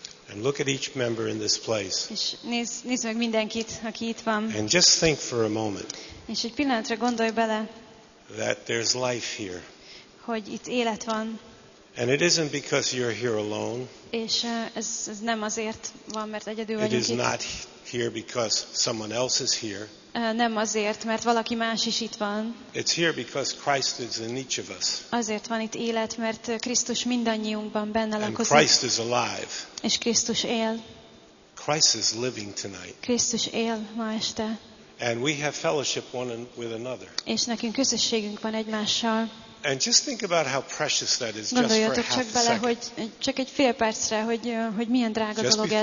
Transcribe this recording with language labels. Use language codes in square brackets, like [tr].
[en] And look at each member in this place. [hu] És nézz meg mindenkit, aki itt van. [en] And just think for a moment. [hu] És egy pillanatra gondolj bele. [en] That there's life here. [hu] Hogy itt élet van. [en] And it isn't because you're here alone. [hu] És ez nem azért van, mert egyedül vagyunk itt. [en] It is not here because someone else is here. [hu] Nem azért, mert valaki más is itt van. [en] It's here because Christ is in each of us. [hu] Azért van itt élet, mert Krisztus mindannyiunkban benne lakozik. [en] And Christ is alive. [hu] És Krisztus él. [en] Christ is living tonight. [hu] Krisztus él ma este. [en] And we have fellowship one with another. [hu] És nekünk közösségünk van egymással. [en] And just think about how precious that is. [hu] Gondoljatok csak bele, hogy csak egy fél percre, hogy milyen drága dolog ez.